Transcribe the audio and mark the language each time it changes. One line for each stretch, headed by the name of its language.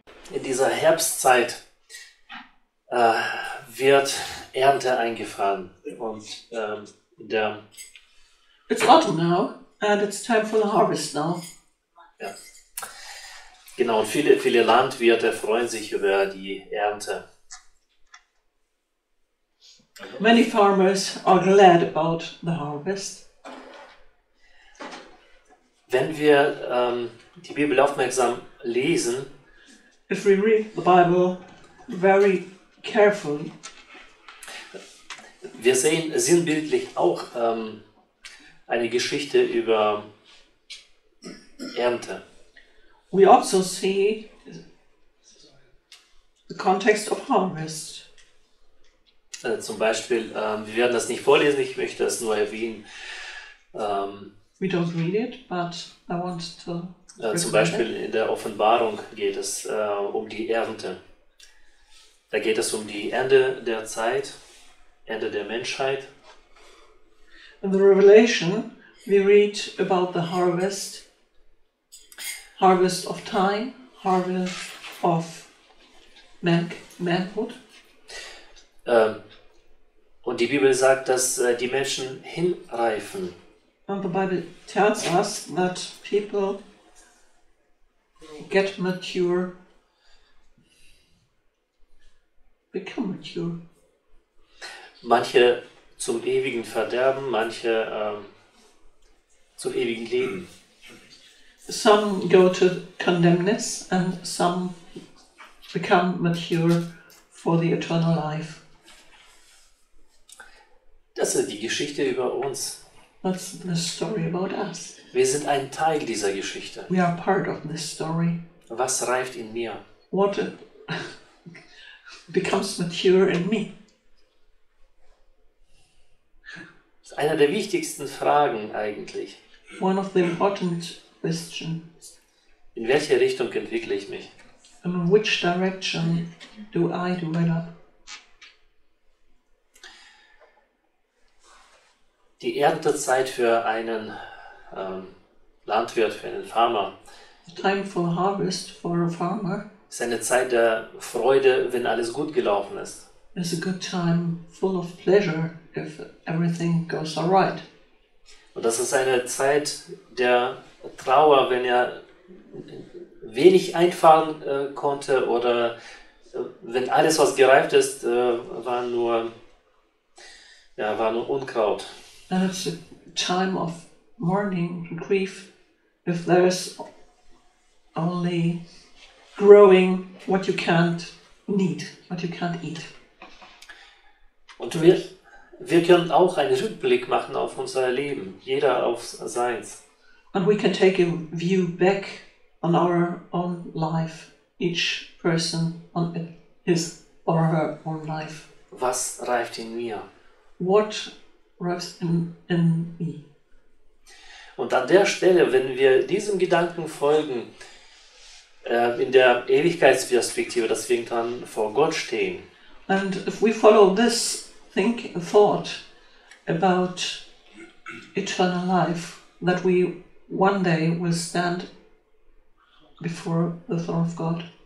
German: In dieser Herbstzeit wird Ernte eingefahren und in der
English: It's autumn now and it's time for the harvest now.
German: Ja. Genau, und viele, viele Landwirte freuen sich über die Ernte.
English: Many farmers are glad about the harvest.
German: Wenn wir die Bibel aufmerksam lesen,
English: if we read the Bible very carefully,
German: wir sehen sinnbildlich auch eine Geschichte über Ernte.
English: We also see the context of harvest.
German: Zum Beispiel, wir werden das nicht vorlesen, ich möchte das nur erwähnen.
English: We don't read it, but I want to.
German: Zum Beispiel in der Offenbarung geht es um die Ernte. Da geht es um die Ende der Zeit, Ende der Menschheit.
English: In the Revelation, we read about the harvest, harvest of time, harvest of manhood.
German: Und die Bibel sagt, dass die Menschen hinreifen.
English: And the Bible tells us that people get mature, become mature.
German: Manche zum ewigen Verderben, manche zum ewigen Leben.
English: Some go to condemnness and some become mature for the eternal life.
German: Das ist die Geschichte über uns.
English: That's the story about us.
German: Wir sind ein Teil dieser Geschichte.
English: We are part of this story.
German: Was reift in mir?
English: What becomes mature in me?
German: Einer der wichtigsten Fragen eigentlich.
English: One of the important questions.
German: In welche Richtung entwickle ich mich?
English: In which direction do I develop?
German: Die Erntezeit für einen Landwirt, für einen Farmer.
English: The time for harvest for a farmer.
German: Ist eine Zeit der Freude, wenn alles gut gelaufen ist.
English: It's a good time full of pleasure if everything goes all right.
German: Und das ist eine Zeit der Trauer, wenn er wenig einfahren konnte oder wenn alles, was gereift ist, war nur Unkraut.
English: And it's a time of mourning and grief if there's only growing what you can't need, what you can't eat.
German: Und wir können auch einen Rückblick machen auf unser Leben, jeder auf seins.
English: And we can take a view back on our own life, each person on his or her own life.
German: Was reift in mir?
English: What reifst in me?
German: Und an der Stelle, wenn wir diesem Gedanken folgen, in der Ewigkeitsperspektive, dass wir irgendwann vor Gott stehen.
English: And if we follow this thought about eternal life, that we one day will stand before the throne of God,